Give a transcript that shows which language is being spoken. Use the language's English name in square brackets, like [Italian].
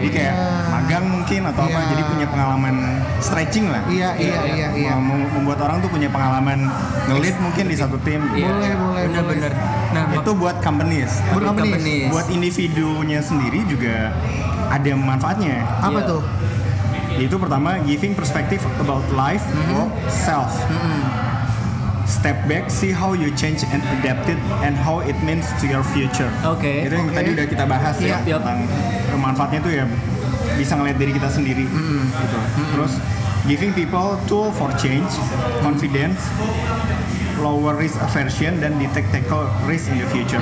[Indonesian] Jadi kayak magang mungkin atau apa, jadi punya pengalaman stretching lah. Iya. Membuat orang tuh punya pengalaman nge-lead mungkin di satu tim. Boleh, bener. Nah, itu buat companies. Buat individunya sendiri juga ada manfaatnya. Apa tuh? Itu pertama, [English] giving perspective about life, work, self. Step back, see how you change and adapt it, and how it means to your future. [Indonesian] Oke. Itu yang tadi udah kita bahas tentang manfaatnya tuh ya, bisa ngeliat diri kita sendiri. Gitu. Terus, [English] giving people tool for change, confidence, lower risk aversion, [Indonesian] dan [English] detect tackle risk in the future.